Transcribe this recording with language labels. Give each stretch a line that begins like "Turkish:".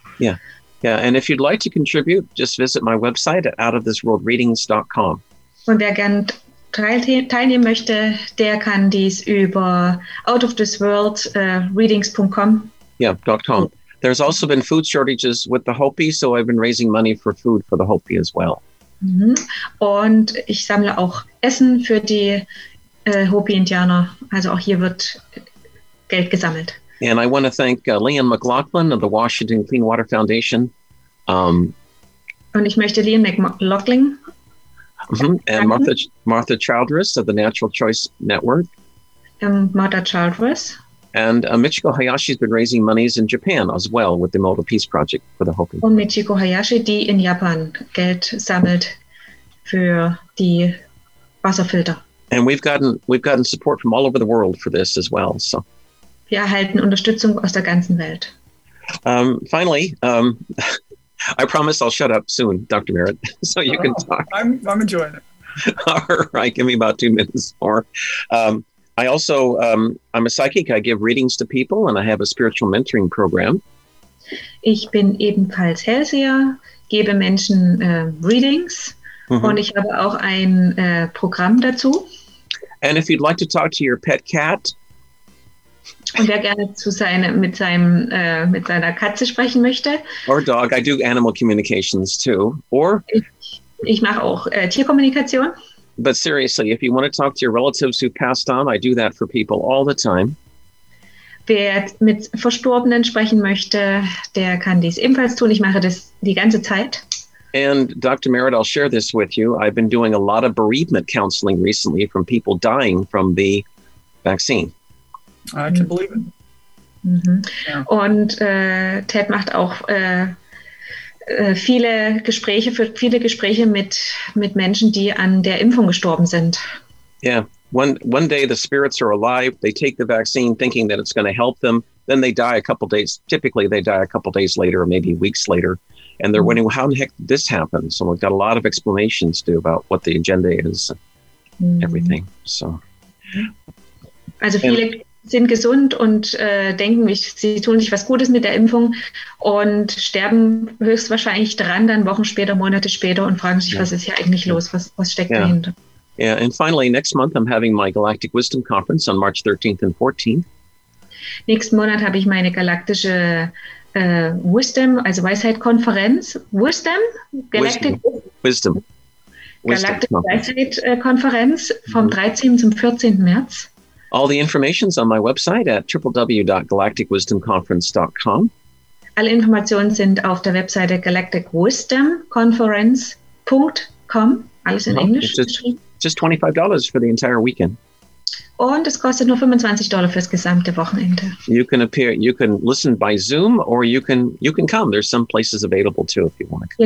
English: Yeah, and if you'd like to contribute, just visit my website at outoftheworldreadings.com.
German: Und wer gern teilnehmen möchte, der kann dies über outoftheworldreadings.com. .com.
English: There's also been food shortages with the Hopi, so I've been raising money for food for the Hopi as well.
German: Und ich sammle auch Essen für die Hopi-Indianer. Also auch hier wird Geld gesammelt.
English: And I want to thank Leon McLaughlin of the Washington Clean Water Foundation.
German: Und ich möchte Leon McLaughlin
English: And Martha Childress of the Natural Choice Network.
German: Martha Childress.
English: And Michiko Hayashi has been raising monies in Japan as well with the Moto Peace Project for the Hopi.
German: Und Michiko Hayashi, die in Japan Geld sammelt für die Wasserfilter.
English: And we've gotten support from all over the world for this as well. So.
German: Wir erhalten Unterstützung aus der ganzen Welt.
English: Finally, I promise I'll shut up soon, Dr. Merritt, so you can talk. I'm enjoying it. All right, give me about 2 minutes more. I'm a psychic. I give readings to people, and I have a spiritual mentoring program.
German: Ich bin ebenfalls Hellseher, gebe Menschen readings, und ich habe auch ein Programm dazu.
English: And if you'd like to talk to your pet cat.
German: Und wer gerne mit seiner Katze sprechen möchte.
English: Or dog, I do animal communications too. Or
German: ich mache auch Tierkommunikation.
English: But seriously, if you want to talk to your relatives who passed on, I do that for people all the time.
German: Wer mit Verstorbenen sprechen möchte, der kann dies ebenfalls tun. Ich mache das die ganze Zeit.
English: And Dr. Merritt, I'll share this with you. I've been doing a lot of bereavement counseling recently from people dying from the vaccine. I can believe it. Yeah.
German: Und Ted macht auch viele Gespräche mit Menschen, die an der Impfung gestorben sind.
English: Yeah, one day the spirits are alive, they take the vaccine thinking that it's going to help them, then they die a couple days, typically they die a couple days later, maybe weeks later, and they're wondering, how in the heck did this happen? So we've got a lot of explanations to do about what the agenda is and everything. So.
German: Also viele sind gesund und denken, sie tun sich was Gutes mit der Impfung und sterben höchstwahrscheinlich dran, dann Wochen später, Monate später und fragen sich, was ist hier eigentlich los, was steckt dahinter?
English: Yeah, and finally, next month I'm having my Galactic Wisdom Conference on March 13th and 14th.
German: Nächsten Monat habe ich meine galaktische Wisdom, also Weisheit-Konferenz.
English: Wisdom? Galactic Wisdom.
German: Galaktische Weisheit-Konferenz vom 13. zum 14. März.
English: All the information's on my website at www.galacticwisdomconference.com.
German: Alle Informationen sind auf der Webseite galacticwisdomconference.com. Alles in Englisch.
English: Just $25 for the entire weekend.
German: Und es kostet nur $25 fürs gesamte Wochenende.
English: You can listen by Zoom or you can come. There's some places available too if you want to come.